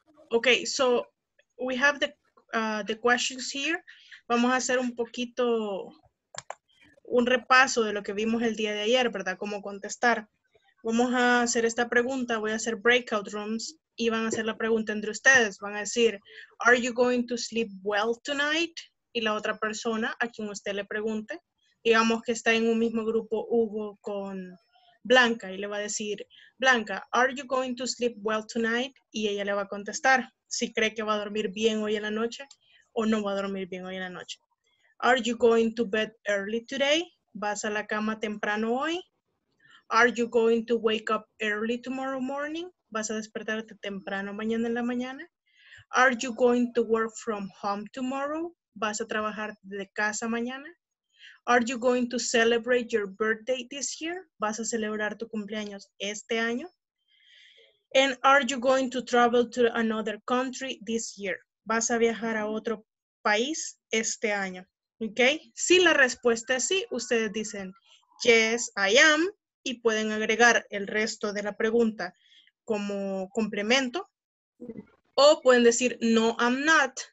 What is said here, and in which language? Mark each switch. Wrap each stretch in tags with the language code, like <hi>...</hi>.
<en>Ok, so we have the questions here.</en> <es>Vamos a hacer un poquito un repaso de lo que vimos el día de ayer, ¿verdad? Cómo contestar. Vamos a hacer esta pregunta, voy a hacer breakout rooms y van a hacer la pregunta entre ustedes. Van a decir,</es> <en>"Are you going to sleep well tonight?"</en> <es>Y la otra persona a quien usted le pregunte, digamos que está en un mismo grupo Hugo con Blanca y le va a decir, Blanca,</es> <en>are you going to sleep well tonight?</en> <es>Y ella le va a contestar si cree que va a dormir bien hoy en la noche o no va a dormir bien hoy en la noche.</es> <en>Are you going to bed early today?</en> <es>¿Vas a la cama temprano hoy?</es> <en>Are you going to wake up early tomorrow morning?</en> <es>¿Vas a despertarte temprano mañana en la mañana?</es> <en>Are you going to work from home tomorrow?</en> <es>¿Vas a trabajar desde casa mañana?</es> <en>Are you going to celebrate your birthday this year?</en> <es>¿Vas a celebrar tu cumpleaños este año?</es> <en>And are you going to travel to another country this year?</en> <es>¿Vas a viajar a otro país este año? ¿Okay? Si la respuesta es sí, ustedes dicen</es> <en>yes, I am</en> <es>y pueden agregar el resto de la pregunta como complemento o pueden decir</es> <en>no, I'm not.</en>